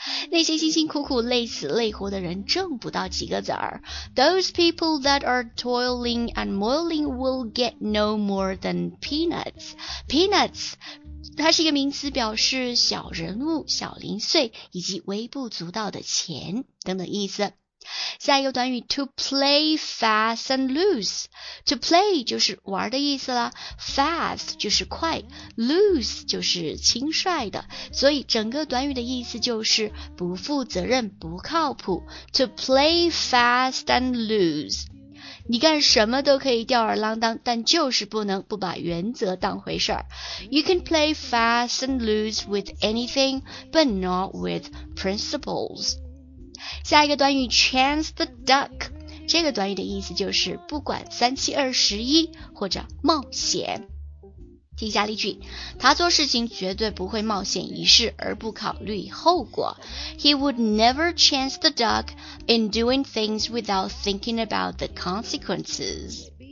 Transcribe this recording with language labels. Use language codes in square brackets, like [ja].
[zh] 那些辛辛苦苦累死累活的人挣不到几个子儿。 [en] Those people that are toiling and moiling will get no more than peanuts. [zh] Peanuts, 它是一个名词，表示小人物、小零碎以及微不足道的钱等等意思。下一个短语 [en] to play fast and loose. [zh] To play 就是玩的意思啦， fast 就是快， loose 就是轻率的，所以整个短语的意思就是不负责任，不靠谱。 [en] To play fast and loose, [zh] 你干什么都可以吊儿郎当，但就是不能不把原则当回事儿。 [en] You can play fast and loose with anything but not with principles. [zh] 下一个短语 [en] chance the duck, [zh] 这个短语的意思就是不管三七二十一或者冒险。听一下例句，他做事情绝对不会冒险一试而不考虑后果。 [en] He would never chance the duck in doing things without thinking about the consequences.